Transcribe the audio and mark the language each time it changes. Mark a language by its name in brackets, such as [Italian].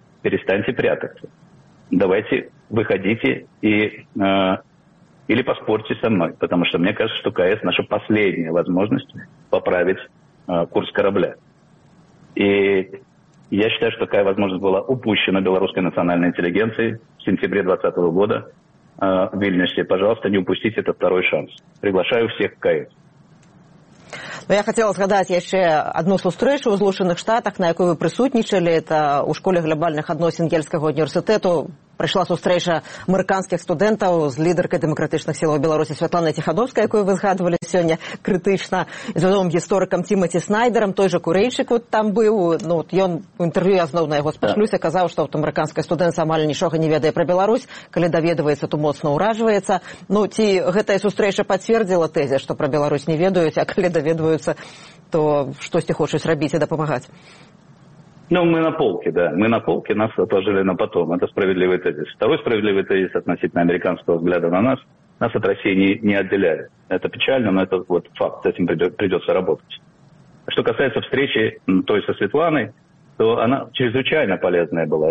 [Russian] Перестаньте прятаться. Давайте выходите или поспорьте со мной, потому что мне кажется, что КС – наша последняя возможность поправить курс корабля. И я считаю, что такая возможность была упущена белорусской национальной интеллигенцией в сентябре 2020 года в Вильнюсе. Пожалуйста, не упустите этот второй шанс. Приглашаю всех к КС. [Belarusian] Ну, я хотела згадаць яшчэ адну сустрэчу ў Злучаных Штатах, на якой вы прысутнічалі, это ў школе глабальных адносін Ельскага універсітэту. Прайшла сустрэча амерыканскіх студэнтаў з лідаркай дэмакратычных сілаў Беларусі Святланай Ціхановскай, якую вы згадвалі сёння крытычна, з вядомым гісторыкам Тімаці Снайдэрам, той жа Курэйчык вот там быў, ну от ён у інтэрв'ю, я зноў на яго спашлюся, казаў, што от амерыканскі студэнт амаль нічога не ведае пра Беларусь, калі даведваецца, то моцна ўражваецца. Ну ці гэтая сустрэча пацвердзіла тэзі, што пра Беларусь не ведаюць, а калі даведваюцца, то штосьці хочуць рабіць і дапамагаць? [Russian] Ну, мы на полке, да. Мы на полке, нас отложили на потом. Это справедливый тезис. Второй справедливый тезис относительно американского взгляда на нас. Нас от России не отделяли. Это печально, но это вот факт. С этим придется работать. Что касается встречи той со Светланой, то она чрезвычайно полезная была.